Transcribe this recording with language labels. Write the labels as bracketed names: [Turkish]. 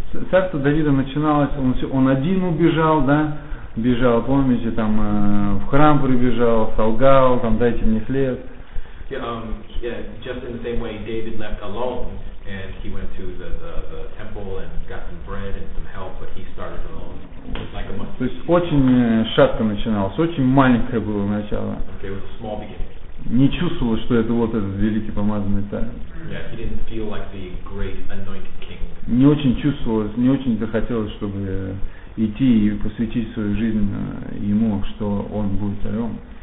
[Russian] Царство Давида начиналось, он один убежал, да, бежал, помните, там, в храм прибежал, солгал, там, дайте мне хлеб. [English] Just in the same way, David left alone, and he went to the temple and got some bread and some help, but he started alone, like a mustard seed. [Russian] То есть очень шатко начиналось, очень маленькое было начало. [English] Okay, it was a small beginning. [Russian] Не чувствовал, что это вот этот великий помазанный царь. [English] Yeah, he didn't feel like the great anointed king. [Russian] Не очень чувствовалось, не очень захотелось, чтобы идти и посвятить свою жизнь ему, что он будет царем.